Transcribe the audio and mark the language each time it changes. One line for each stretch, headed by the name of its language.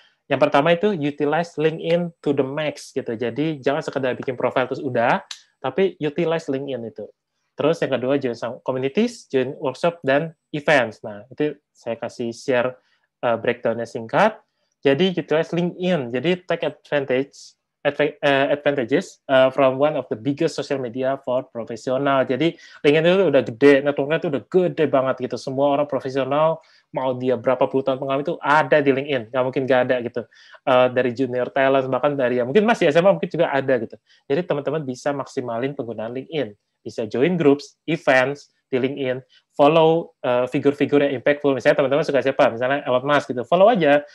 Indonesian: Yang pertama itu
English: utilize LinkedIn to the max
Indonesian: gitu. Jadi jangan sekedar bikin profile terus udah, tapi utilize LinkedIn itu. Terus yang kedua
English: join some communities, join workshop dan events.
Indonesian: Nah, itu saya kasih share breakdown-nya singkat. Jadi utilize LinkedIn. Jadi
English: take advantage advantages from one of the biggest social media for professional.
Indonesian: Jadi LinkedIn itu udah gede, networknya itu udah gede banget gitu. Semua orang profesional mau dia berapa puluh tahun pengalaman itu ada di LinkedIn. Gak mungkin gak ada gitu. Dari junior talent bahkan dari ya mungkin masih SMA mungkin juga ada gitu. Jadi teman-teman bisa maksimalin penggunaan LinkedIn. Bisa join groups, events di LinkedIn, follow figure-figure yang impactful. Misalnya teman-teman suka siapa? Misalnya Elon Musk gitu. Follow aja.